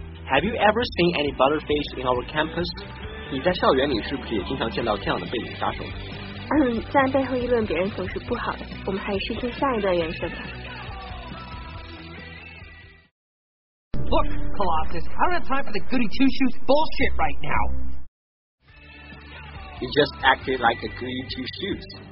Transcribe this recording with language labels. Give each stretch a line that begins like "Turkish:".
English: Have you ever seen any butterface in our campus？
Chinese: 你在校园里是不是也经常见到这样的背景杀手？在背后议论别人总是不好的，我们还是听下一段原声吧。
English: Look, Colossus, I don't have time for the goody two shoes bullshit right now. You just acted like a goody two shoes.